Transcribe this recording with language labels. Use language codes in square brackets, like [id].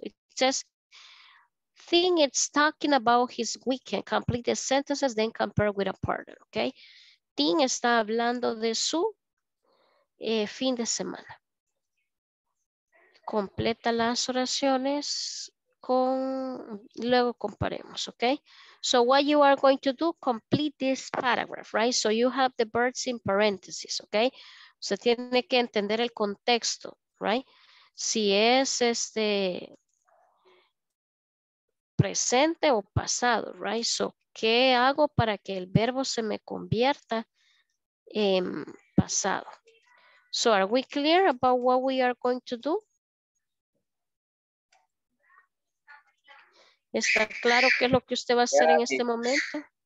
[en] It says, thing it's talking about his weekend. Complete the sentences, then compare with a partner, okay? [es] Thing está hablando de su fin de semana. Completa las oraciones con, luego comparemos, okay? [en] So what you are going to do, complete this paragraph, right? So you have the birds in parentheses, okay? [es] Usted tiene que entender el contexto, right? Si es este presente o pasado, right? So, ¿qué hago para que el verbo se me convierta en pasado? [en] So, are we clear about what we are going to do? [es] ¿Está claro qué es lo que usted va a hacer en este momento?